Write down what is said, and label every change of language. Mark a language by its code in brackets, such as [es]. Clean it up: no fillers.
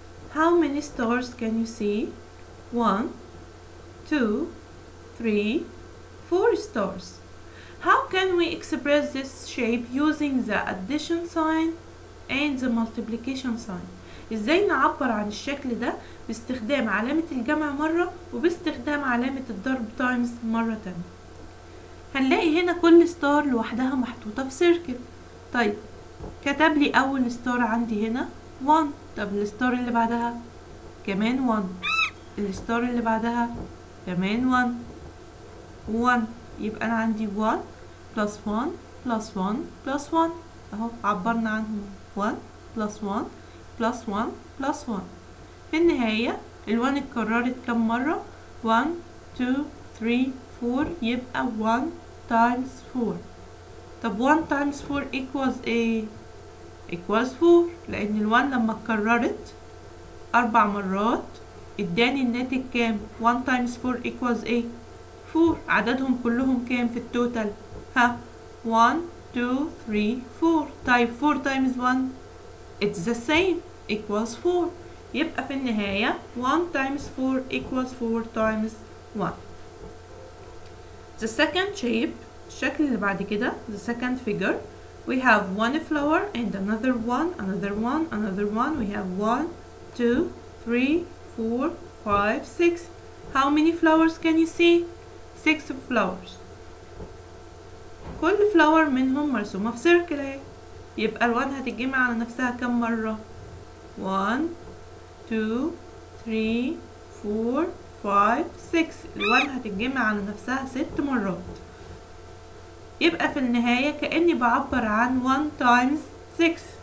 [en] How many stars can you see? 1, 2, 3, 4 stars. How can we express this shape using the addition sign and the multiplication sign? [ar] ازاي نعبر عن الشكل ده باستخدام علامة الجمع مرة وباستخدام علامة الضرب times مرة تانية؟ هنلاقي هنا كل ستار لوحدها محطوطة في سيركل. طيب كتب لي اول ستار عندي هنا 1، طب الستار اللي بعدها كمان 1، الستار اللي بعدها كمان 1. 1 يبقى انا عندي [en] 1 plus 1 plus 1 plus 1، [ar] اهو عبرنا عنهم 1 plus 1 plus 1 plus 1. في النهاية ال 1 اتكررت كم مرة؟ 1 2 3 4، يبقى [en] 1 times 4. [ar] طب [en] 1 times 4 equals [ar] ايه؟ equals 4، لان ال 1 لما اتكررت 4 مرات اداني الناتج كام؟ 1 times 4 equals ايه؟ 4. عددهم كلهم كام في التوتال؟ ها 1 2 3 4. طيب [en] 4 times 1 it's the same equals 4، [ar] يبقى في النهاية [en] 1 times 4 equals 4 times 1. The second shape، [ar] الشكل اللي بعد كده، [en] the second figure، we have one flower and another one another one another one. We have 1 2 3 4 5 6. How many flowers can you see؟ 6 flowers. [ar] كل flower منهم مرسومة في سيركل، يبقى الوان هتتجمع على نفسها كم مرة؟ 1 2 3 4 5 6. الوان هتتجمع على نفسها 6 مرات، يبقى في النهاية كأني بعبر عن [en] 1 times 6.